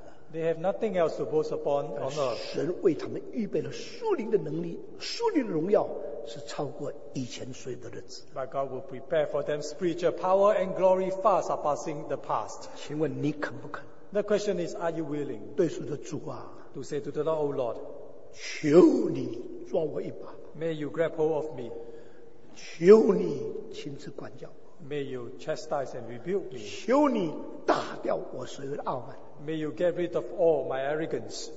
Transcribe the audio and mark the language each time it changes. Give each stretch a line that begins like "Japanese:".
English: They have nothing else to boast upon on earth.
Chinese: 神为他们预备了属灵的能力，属灵的荣耀是超过以前所有的日子。
English: But God will prepare for them spiritual power and glory far surpassing the past.
Chinese: 请问你肯不肯？
English: The question is, are you willing?
Chinese: 对主的主啊，
English: to say to the Lord, O Lord,
Chinese: 求你抓我一把。
English: May you grab hold of me.
Chinese: 求你亲自管教我。
English: May you chastise and rebuke me.
Chinese: 求你打掉我所有的傲慢。
English: May you get rid of all my arrogance.